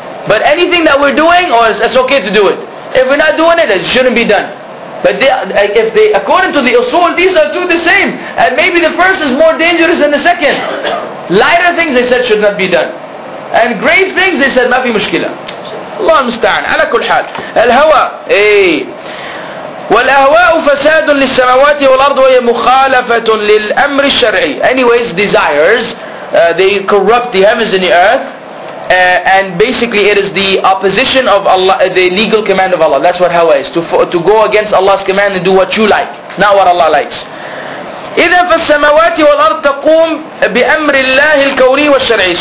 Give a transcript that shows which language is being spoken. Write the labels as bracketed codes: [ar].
[en] But anything that we're doing, or it's okay to do it. If we're not doing it, it shouldn't be done. But they, if they, according to the usul, these are two the same. And maybe the first is more dangerous than the second. Lighter things, they said, should not be done. And grave things, they said, [ar] ما في مشكلة. Allah musta'an. على كل حال. الهوى. Hey. والأهواء فساد للسماوات والأرض وهي مخالفة للأمر الشرعي. [en] Anyways, desires, they corrupt the heavens and the earth. And basically it is the opposition of Allah, the legal command of Allah. That's what hawa is. To go against Allah's command and do what you like, not what Allah likes. [ar] إِذَا فَالسَّمَوَاتِ وَالْأَرْضِ تَقُومْ بِأَمْرِ اللَّهِ الْكَوْرِي وَالشَّرْعِي.